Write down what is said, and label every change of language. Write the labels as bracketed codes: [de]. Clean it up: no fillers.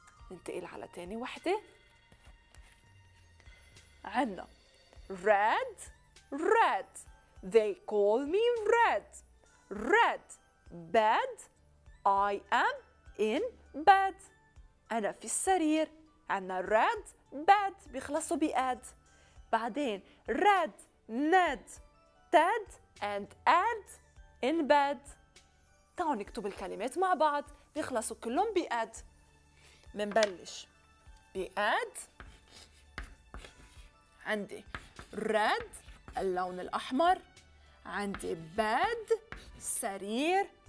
[en] ننتقل على تاني وحدة عنا red red they call me red red bed I am in bed أنا في السرير. [ar] عنا red bed بيخلصوا بأد. [en] بعدين red ned ted and add in bed. [ar] تعالوا نكتب الكلمات مع بعض بيخلصوا كلهم بأد. منبلش بأد. عندي red اللون الأحمر. عندي bed سرير.